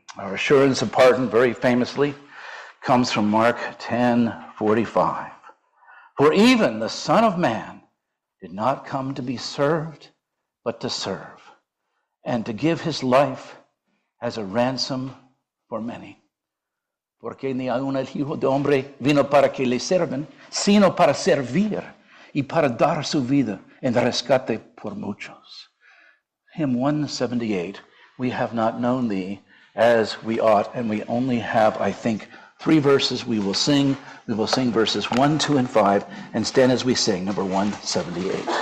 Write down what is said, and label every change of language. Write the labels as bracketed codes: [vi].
[en] Our assurance of pardon, very famously, comes from Mark 10:45. For even the Son of Man did not come to be served, but to serve, and to give his life as a ransom for many. [es] Porque ni aun el Hijo de Hombre vino para que le sirvan, sino para servir y para dar su vida en rescate por muchos. [en] Hymn 178, we have not known thee as we ought, and we only have, I think, three verses we will sing. We will sing verses 1, 2, and 5, and stand as we sing, number 178.